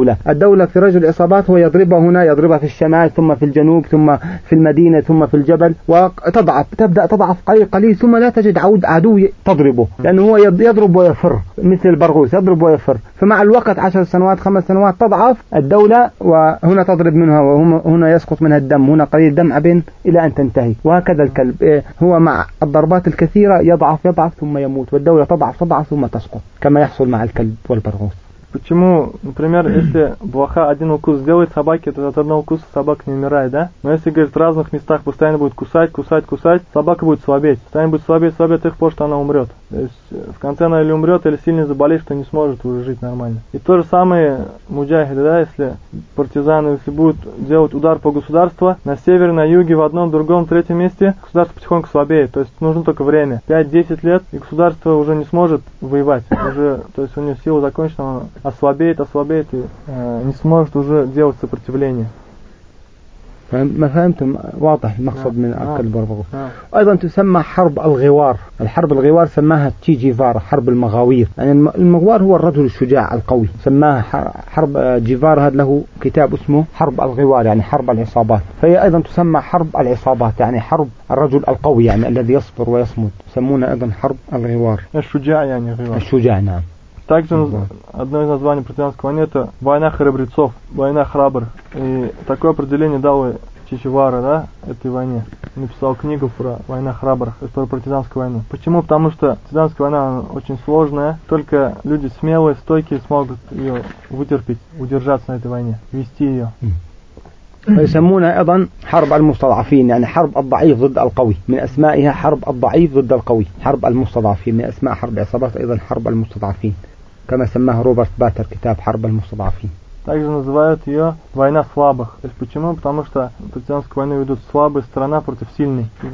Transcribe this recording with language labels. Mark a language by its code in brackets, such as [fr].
[ar] الدولة في رجل إصابات هو يضربها هنا يضربها في الشمال ثم في الجنوب ثم في المدينة ثم في الجبل، وتضعف تبدأ تضعف قليل ثم لا تجد عدو تضربه، لأنه هو يضرب ويفر مثل البرغوث يضرب ويفر، فمع الوقت 10 سنوات 5 سنوات تضعف الدولة، وهنا تضرب منها وهنا يسقط منها الدم، هنا قليل دمع بين إلى أن تنتهي، وهكذا الكلب هو مع الضربات الكثيرة يضعف ثم يموت، والدولة تضعف ثم تسقط كما يحصل مع الكلب والبرغوث. [ru] Почему, например, если блоха один укус сделает собаке, то от одного укуса собака не умирает, да? Но если, говорит, в разных местах постоянно будет кусать, собака будет слабеть. Постоянно будет слабеть до тех пор, что она умрет. То есть в конце она или умрет, или сильно заболеет, что не сможет уже жить нормально. И то же самое муджахиды, да, если партизаны, если будут делать удар по государству, на севере, на юге, в одном, другом, третьем месте, государство потихоньку слабеет. То есть нужно только время. 5-10 лет, и государство уже не сможет воевать. Уже, то есть у него сила закончена, она ослабеет и не сможет уже делать сопротивление. [ar] ما فهمتم واضح المقصود من عقل البرغوث. أيضا تسمى حرب الغوار. الحرب الغوار سماها تشي جيفارا حرب المغاوير. يعني المغوار هو الرجل الشجاع القوي. سماها حرب جيفارا هذا له كتاب اسمه حرب الغوار يعني حرب العصابات. فهي أيضا تسمى حرب العصابات يعني حرب الرجل القوي يعني الذي يصبر ويصمد. يسمونه أيضا حرب الغوار. الشجاع يعني غوار. الشجاع نعم. [ru] Также одно из названий партизанской войны – это «Война храбрецов», «Война храбрых». И такое определение дал Че Гевара, да, этой войне. Написал книгу про «Война храбрых», про партизанскую войну. Почему? Потому что партизанская война очень сложная. Только люди смелые, стойкие смогут ее вытерпеть, удержаться на этой войне, вести ее. [ar] ويسمونها أيضا حرب المستضعفين يعني حرب الضعيف ضد القوي من أسمائها حرب الضعيف ضد القوي حرب المستضعفين من أسماء حرب عصابات أيضا حرب المستضعفين كما سماها روبرت باتر كتاب حرب المستضعفين [ru] Также называют ее «Война слабых». Почему? Потому что партизанскую войну ведут слабые, страна против сильной.